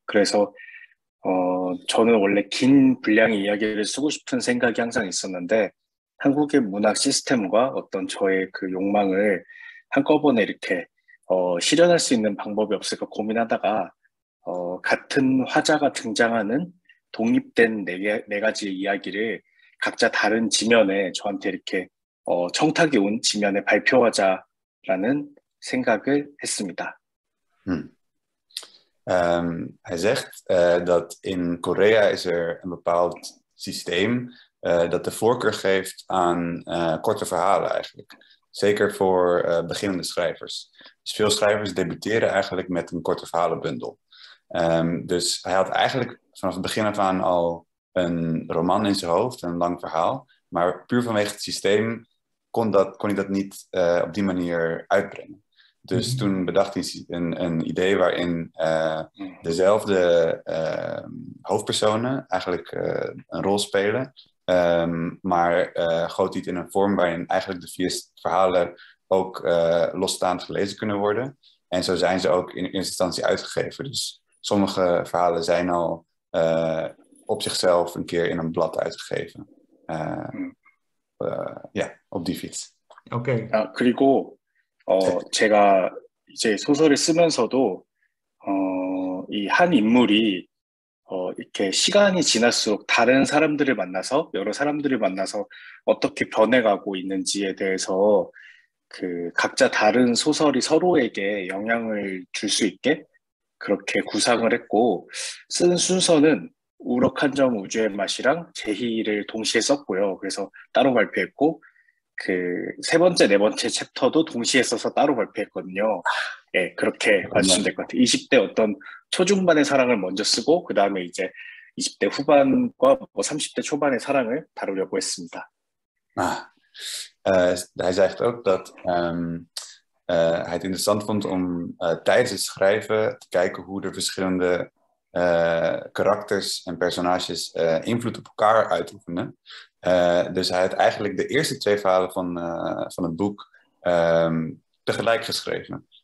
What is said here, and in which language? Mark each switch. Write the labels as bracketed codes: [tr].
[ko] 그래서 저는 원래 긴 분량의 이야기를 쓰고 싶은 생각이 항상 있었는데 한국의 문학 시스템과 어떤 저의 그 욕망을 한꺼번에 이렇게 실현할 수 있는 방법이 없을까 고민하다가 같은 화자가 등장하는 독립된 네 가지 이야기를 각자 다른 지면에 저한테 이렇게 청탁이 온 지면에 발표하자라는 생각을 했습니다. [nl] Hij zegt dat in Korea is er een bepaald systeem dat de voorkeur geeft aan korte verhalen eigenlijk. Zeker voor beginnende schrijvers. Dus veel schrijvers debuteren eigenlijk met een korte verhalenbundel. Dus hij had eigenlijk vanaf het begin af aan al een roman in zijn hoofd, een lang verhaal. Maar puur vanwege het systeem kon hij dat niet op die manier uitbrengen. Dus toen bedacht hij een idee waarin dezelfde hoofdpersonen eigenlijk een rol spelen, maar goot hij het in een vorm waarin eigenlijk de vier verhalen ook losstaand gelezen kunnen worden. En zo zijn ze ook in eerste instantie uitgegeven. Dus sommige verhalen zijn al op zichzelf een keer in een blad uitgegeven. Op die fiets. Ja, [ko] 그리고 제가 이제 소설을 쓰면서도, 이한 인물이, 이렇게 시간이 지날수록 다른 사람들을 만나서, 여러 사람들을 만나서 어떻게 변해가고 있는지에 대해서, 각자 다른 소설이 서로에게 영향을 줄수 있게 그렇게 구상을 했고, 쓴 순서는 우럭한점 우주의 맛이랑 제희를 동시에 썼고요. 그래서 따로 발표했고, 세 번째, 네 번째 챕터도 동시에 써서 따로 발표했거든요. 예, 그렇게 맞추시면 될것 같아요. 20대 어떤 초중반의 사랑을 먼저 쓰고, 그 다음에 이제 20대 후반과 뭐 30대 초반의 사랑을 다루려고 했습니다. [nl] Hij zegt ook dat hij het interessant vond om tijdens het schrijven te kijken hoe de verschillende karakters en personages invloed op elkaar uitoefenen. Dus hij had eigenlijk de eerste twee verhalen van het boek tegelijk geschreven.